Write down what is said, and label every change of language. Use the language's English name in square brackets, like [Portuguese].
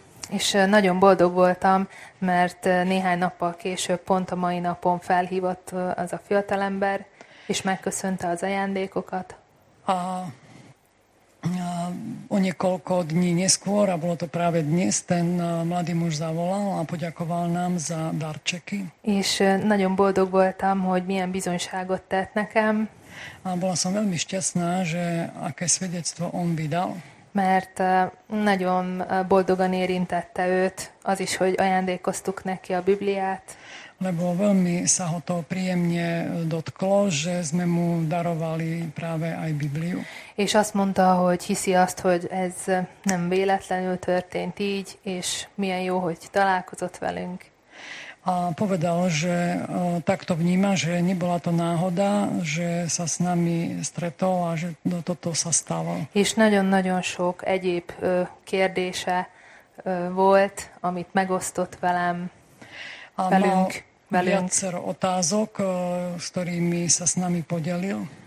[Hungarian] És nagyon boldog voltam, mert néhány nappal később, pont a mai napon felhívott az a fiatalember, és megköszönte az ajándékokat. [Slovak] A o niekoľko dní neskôr, a bolo to práve dnes, ten mladý muž zavolal a poďakoval nám za darčeky. [Hungarian] És nagyon boldog voltam, hogy milyen bizonyságot tett nekem. [Slovak] A bola som veľmi šťastná, že aké svedectvo on vydal. [Hungarian] mert nagyon boldogan érintette őt az is, hogy ajándékoztuk neki a Bibliát. [Slovak] Lebo veľmi sa ho to príjemne dotklo, že sme mu darovali práve aj Bibliu. [Hungarian] És azt mondta, hogy hiszi azt, hogy ez nem véletlenül történt így, és milyen jó, hogy találkozott velünk. [Slovak] A povedal, že takto vníma, že nebola to náhoda, že sa s nami stretol a že toto sa stalo. [Hungarian] És nagyon-nagyon sok egyéb kérdése volt, amit megosztott velem. [Slovak] A velünk, mal viacero otázok, s ktorými sa s nami podelil.